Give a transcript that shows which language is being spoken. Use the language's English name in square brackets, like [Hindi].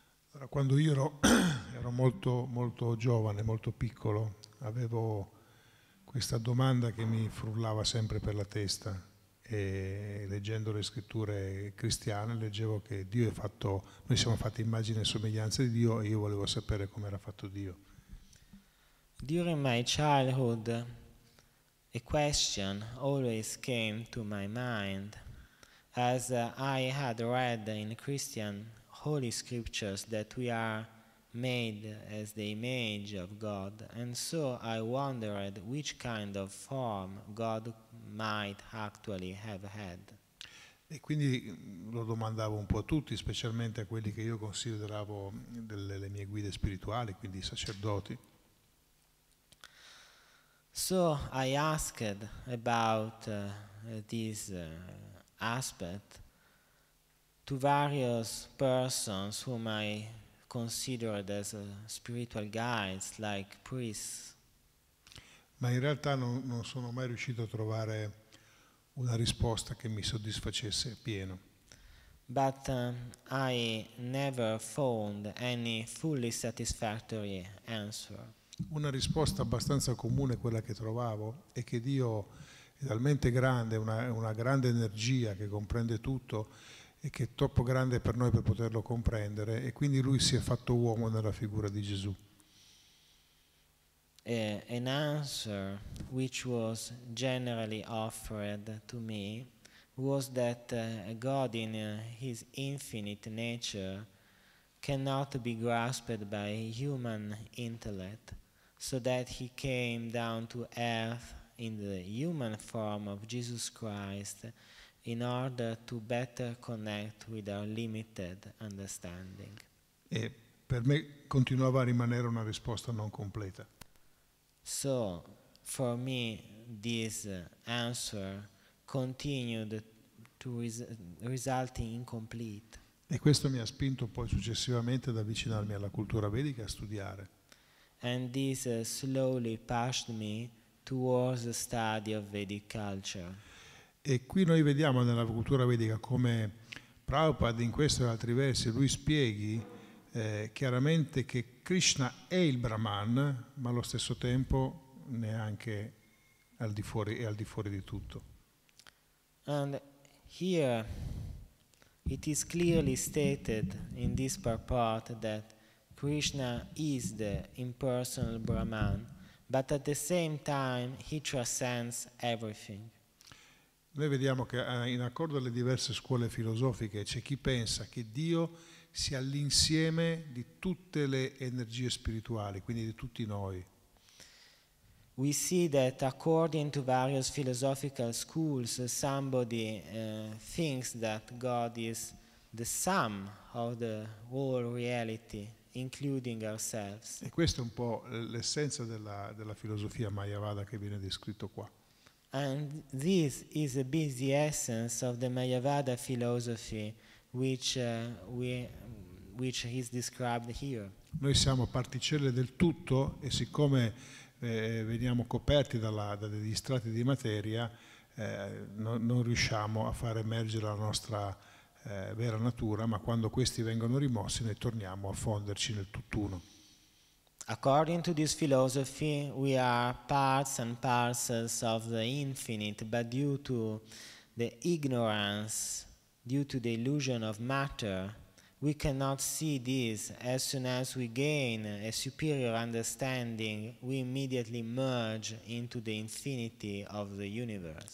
[Italian] Allora, quando io ero molto molto giovane, molto piccolo, avevo questa domanda che mi frullava sempre per la testa e leggendo le scritture cristiane leggevo che Dio è fatto, noi siamo fatti immagine e somiglianza di Dio e io volevo sapere come era fatto Dio. [English] During my childhood, a question always came to my mind, as I had read in Christian holy scriptures that we are made as the image of God, and so I wondered which kind of form God might actually have had. [Italian] E quindi lo domandavo un po' a tutti, specialmente a quelli che io consideravo delle mie guide spirituali, quindi i sacerdoti. [English] So I asked about this aspect to various persons whom I considered as spiritual guides, like priests. [Italian] Ma in realtà non sono mai riuscito a trovare una risposta che mi soddisfacesse pieno. [English] But I never found any fully satisfactory answer. [Italian] Una risposta abbastanza comune, quella che trovavo, è che Dio è talmente grande, una grande energia che comprende tutto e che è troppo grande per noi per poterlo comprendere, e quindi lui si è fatto uomo nella figura di Gesù. [English] An answer which was generally offered to me was that God in his infinite nature cannot be grasped by human intellect, so that he came down to earth in the human form of Jesus Christ in order to better connect with our limited understanding. [Italian] E per me continuava a rimanere una risposta non completa. [English] So, for me, this answer continued to result incomplete. [Italian] E questo mi ha spinto poi successivamente ad avvicinarmi alla cultura vedica e a studiare. [English] And this slowly pushed me towards the study of Vedic culture. [Italian] E qui noi vediamo nella cultura vedica come Prabhupada in questo e altri versi lui spieghi chiaramente che Krishna è il Brahman, ma allo stesso tempo neanche al di fuori e al di fuori di tutto. [English] And here it is clearly stated in this purport that Krishna is the impersonal Brahman, but at the same time he transcends everything. [Italian] Noi vediamo che in accordo alle diverse scuole filosofiche c'è chi pensa che Dio sia l'insieme di tutte le energie spirituali, quindi di tutti noi. [English] We see that according to various philosophical schools, somebody thinks that God is the sum of the whole reality, including ourselves. [Italian] E questo è un po' l'essenza della filosofia Mayavada che viene descritto qua. [English] And this is a bit the essence of the Mayavada philosophy, which is described here. [Italian] Noi siamo particelle del tutto e siccome veniamo coperti da degli strati di materia, non riusciamo a far emergere la nostra vera natura, ma quando questi vengono rimossi noi torniamo a fonderci nel tutt'uno. [English] According to this philosophy, we are parts and parcels of the infinite, but due to the ignorance, due to the illusion of matter, we cannot see this. As soon as we gain a superior understanding, we immediately merge into the infinity of the universe.